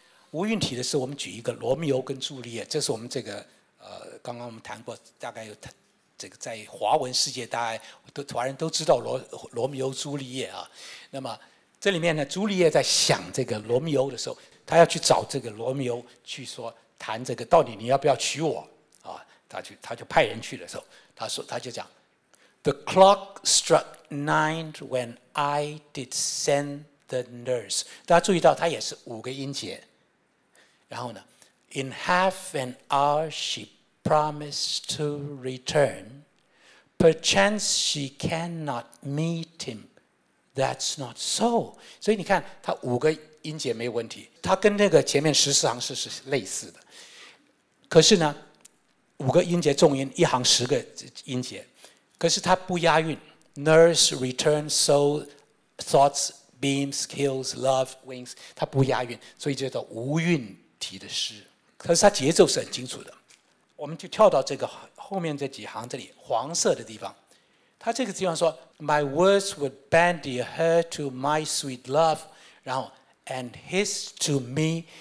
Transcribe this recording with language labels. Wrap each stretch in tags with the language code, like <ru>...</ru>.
<zh>无韵体的诗，我们举一个罗密欧跟朱丽叶，这是我们这个刚刚我们谈过，大概有这个在华文世界大概都华人都知道罗密欧朱丽叶啊。那么这里面呢，朱丽叶在想这个罗密欧的时候，他要去找这个罗密欧去说谈这个到底你要不要娶我啊？</zh> <en>他就派人去的时候，</en> <zh>他就讲</zh> <en>，The clock struck nine when I did send the nurse。大家注意到，他也是五个音节。然后呢 ，In half an hour she promised to return. Perchance she cannot meet him. That's not so.</en> <zh>所以你看，他五个音节没有问题，他跟那个前面十四行诗是类似的。可是呢，五个音节重音，一行十个音节，可是他不押韵。</zh> <en>Nurse returns, so thoughts beams, kills, love wings.</en> <zh>他不押韵，所以叫做无韵。体的诗，可是它节奏是很清楚的。我们就跳到这个后面这几行，这里黄色的地方，它这个地方说 ，</zh> <en>My words would bandy her to my sweet love，</en> <zh>然后</zh> <en>and his to me。</en>